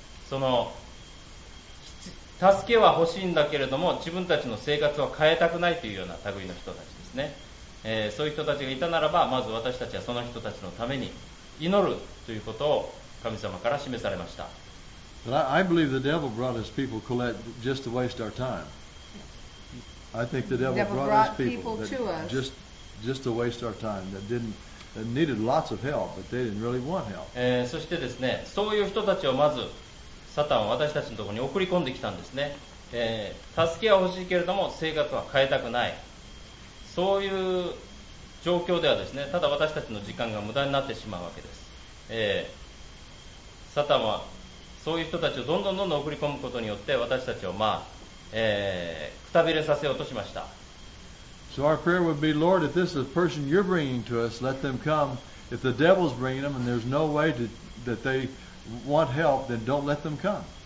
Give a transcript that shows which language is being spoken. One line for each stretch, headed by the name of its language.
Japanese: その助けは欲しいんだけれども、自分たちの生活は変えたくないというような類の人たちですね。そういう人たちがいたならば、まず私たちはその人たちのために祈るということを神様から示されました。
English: I believe the devil brought his people, Colette, just to waste our time. I think the devil brought his people to us just to waste our time. That needed lots of help, but they didn't really want help.
Japanese: そしてですね、そういう人たちをまずサタンは私たちのところに送り込んできたんですね。助けは欲しいけれども生活は変えたくない。そういう状況ではですね、ただ私たちの時間が無駄になってしまうわけです。サタンはそういう人たちをどんどんどんどん送り込むことによって私たちをまあ、くたびれさせようとしました。
English: So our prayer would be, Lord, if this is a person you're bringing to us, let them come. If the devil's bringing them and there's no way that they want help, then don't let them come.